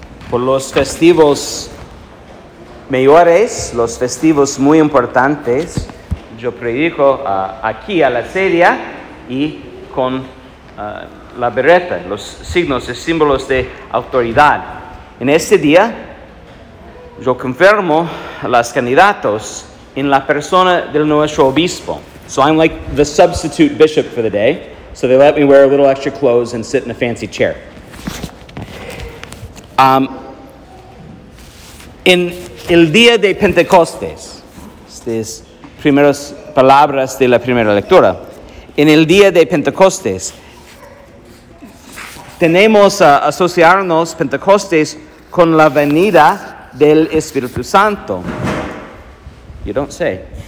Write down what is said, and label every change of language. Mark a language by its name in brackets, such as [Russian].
[Spanish] Por los festivos mayores, los festivos muy importantes, yo predico aquí a la sedia y con la berreta, los signos y símbolos de autoridad. En este día, yo confirmo a los candidatos en la persona del nuestro obispo. [English] So I'm like the substitute bishop for the day, so they let me wear a little extra clothes and sit in a fancy chair. [Spanish] En el día de Pentecostés, estas primeras palabras de la primera lectura, en el día de Pentecostés, tenemos a asociarnos Pentecostés con la venida del Espíritu Santo. [English] You don't say.